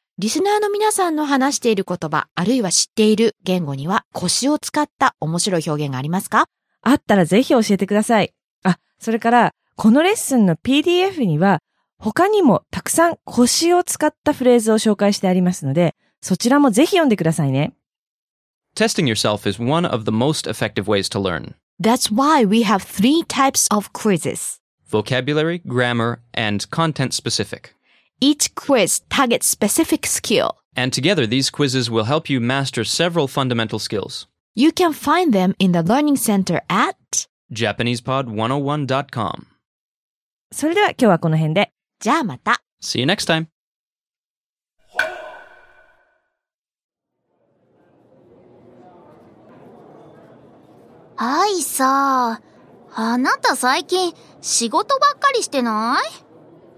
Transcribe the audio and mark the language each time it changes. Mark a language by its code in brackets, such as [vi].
[ja] リスナーの皆さんの話している言葉、あるいは知っている言語には腰を使った面白い表現がありますか？あったらぜひ教えてください。あ、それからこのレッスンの PDF には他にもたくさん腰を使ったフレーズを紹介してありますので、そちらもぜひ読んでくださいね。 [en] Testing yourself is one of the most effective ways to learn. That's why we have three types of quizzes. Vocabulary, grammar, and content specific. Each quiz targets specific skill. And together, these quizzes will help you master several fundamental skills. You can find them in the Learning Center at JapanesePod101.com. [ja] それでは今日はこの辺で。じゃあまた。 [en] See you next time. [ja] あいさ、あなた最近仕事ばっかりしてない？